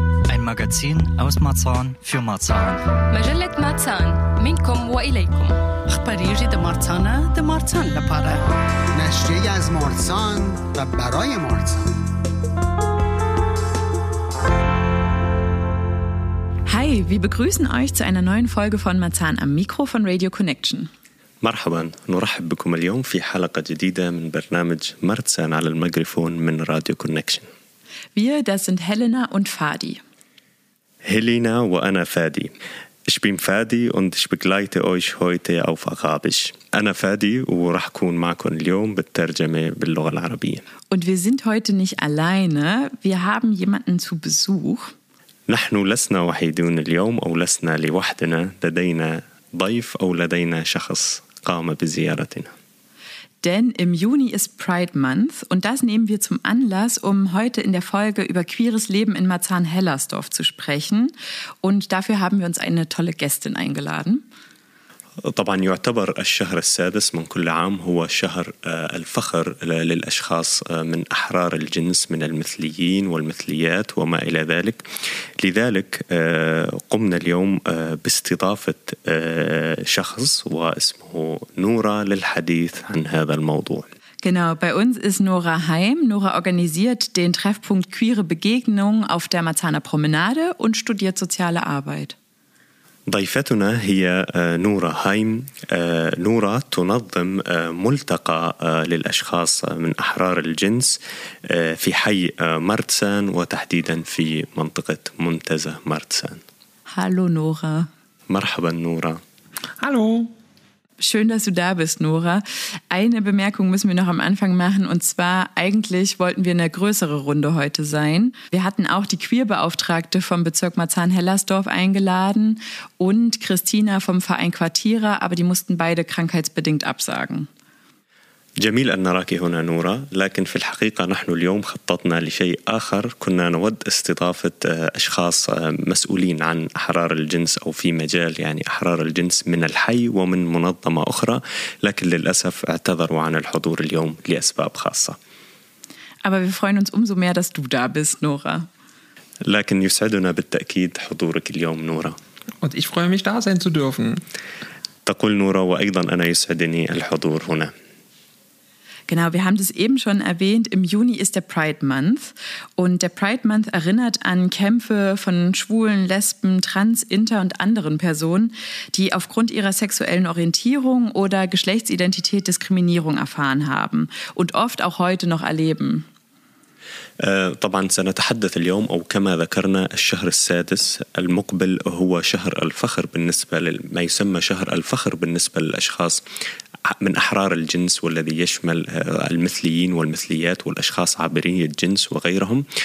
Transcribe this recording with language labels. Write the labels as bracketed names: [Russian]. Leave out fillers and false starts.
[German] Ein Magazin aus Marzahn für Marzahn. [Arabic] مجلة Marzahn. منكم وإليكم. أخباري جديدة مارتانا دي مارتان لبارا. [Persian] نشرية از مارتان و براي مارتان. [German] Hi, wir begrüßen euch zu einer neuen Folge von Marzahn am Mikro von Radio Connection. [Arabic] مرحبا نرحب بكم اليوم في حلقة جديدة من برنامج مرتسان على الميكروفون من راديو كونكشن. [German] Wir, das sind Helena und Fadi. [Arabic] Helena وأنا فادي. [German] Ich bin Fadi und ich begleite euch heute auf Arabisch. [Arabic] أنا فادي ورح كون معكم اليوم بالترجمة باللغة العربية. [German] Und wir sind heute nicht alleine. Wir haben jemanden zu Besuch. [Arabic] نحن لسنا وحيدون اليوم أو لسنا لوحدنا. لدينا ضيف أو لدينا شخص قام بزيارتنا. [German] Denn im Juni ist Pride Month und das nehmen wir zum Anlass, um heute in der Folge über queeres Leben in Marzahn-Hellersdorf zu sprechen. Und dafür haben wir uns eine tolle Gästin eingeladen. [Arabic] طبعا يعتبر الشهر السادس من كل عام هو شهر الفخر للأشخاص من أحرار الجنس من المثليين والمثليات وما إلى ذلك. لذلك قمنا اليوم باستضافة شخص واسمه نورا للحديث عن هذا الموضوع. [German] Genau, bei uns ist Nora Heim. Nora organisiert den Treffpunkt Queere Begegnung auf der Marzahner Promenade und studiert soziale Arbeit. [Arabic] ضيفتنا هي نورا هايم. نورا تنظم ملتقى للأشخاص من أحرار الجنس في حي مرتسان وتحديدا في منطقة منتزه مرتسان. [German] Hallo Nora. [Arabic] مرحبا نورا. [German] Hallo. Schön, dass du da bist, Nora. Eine Bemerkung müssen wir noch am Anfang machen. Und zwar, eigentlich wollten wir eine größere Runde heute sein. Wir hatten auch die Queerbeauftragte vom Bezirk Marzahn-Hellersdorf eingeladen und Christina vom Verein Quartierer, aber die mussten beide krankheitsbedingt absagen. [Arabic] جميل أن نراك هنا نورا، لكن في الحقيقة نحن اليوم خططنا لشيء آخر. كنا نود استضافة أشخاص مسؤولين عن أحرار الجنس أو في مجال يعني أحرار الجنس من الحي ومن منظمة أخرى، لكن للأسف اعتذروا عن الحضور اليوم لأسباب خاصة. [German] Aber wir freuen uns umso mehr, dass du da bist, Nora. [Arabic] لكن يسعدنا بالتأكيد حضورك اليوم نورا. [German] Und ich freue mich, da sein zu dürfen. [Arabic] تقول نورا وأيضا أنا يسعدني الحضور هنا. [German] Genau, wir haben das eben schon erwähnt, im Juni ist der Pride Month und der Pride Month erinnert an Kämpfe von Schwulen, Lesben, Trans, Inter und anderen Personen, die aufgrund ihrer sexuellen Orientierung oder Geschlechtsidentität Diskriminierung erfahren haben und oft auch heute noch erleben. [Arabic] طبعا سنتحدث اليوم أو كما ذكرنا الشهر السادس المقبل هو شهر الفخر بالنسبة لما يسمى شهر الفخر بالنسبة للأشخاص من أحرار الجنس والذي يشمل المثليين والمثليات والأشخاص عابري الجنس وغيرهم.